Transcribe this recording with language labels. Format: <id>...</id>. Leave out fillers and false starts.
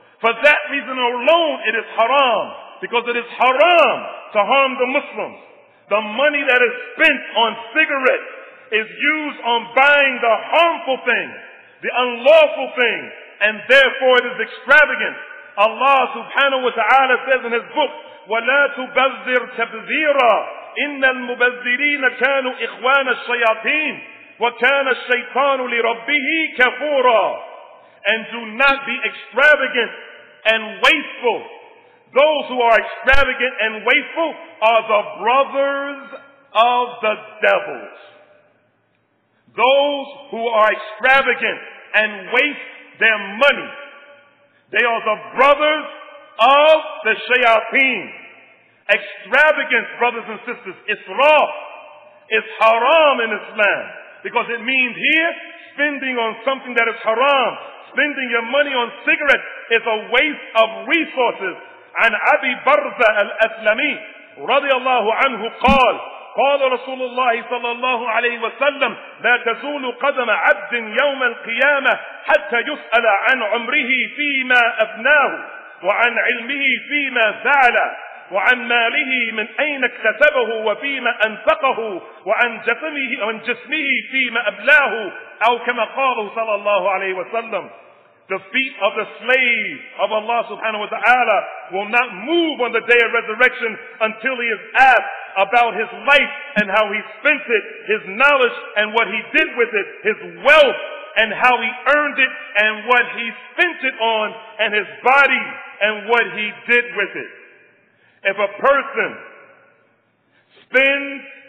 <en>For that reason alone, it is haram. Because it is haram to harm the Muslims. The money that is spent on cigarettes is used on buying the harmful thing, the unlawful thing, and therefore it is extravagant.</en> <ar>Allah subhanahu wa ta'ala says in his book, وَلَا تُبَذِّرْ تَبْذِيرًا إِنَّ الْمُبَذِّرِينَ كَانُوا إِخْوَانَ الشَّيَاطِينَ وَكَانَ الشَّيْطَانُ لِرَبِّهِ كَفُورًا.</ar> <en>And do not be extravagant and wasteful. Those who are extravagant and wasteful are the brothers of the devils. Those who are extravagant and waste their money, they are the brothers of the shayateen. Extravagance, brothers and sisters, israf, is haram in Islam. Because it means here, spending on something that is haram, spending your money on cigarettes is a waste of resources.</en> <ar>عن أبي برزة الأسلمي رضي الله عنه قال قال رسول الله صلى الله عليه وسلم لا تزول قدم عبد يوم القيامة حتى يسأل عن عمره فيما أفناه وعن علمه فيما فعل وعن ماله من أين اكتسبه وفيما أنفقه وعن جسمه, وعن جسمه فيما أبلاه أو كما قال صلى الله عليه وسلم.</ar> <en>The feet of the slave of Allah subhanahu wa ta'ala will not move on the day of resurrection until he is asked about his life and how he spent it, his knowledge and what he did with it, his wealth and how he earned it and what he spent it on, and his body and what he did with it. If a person spends</en>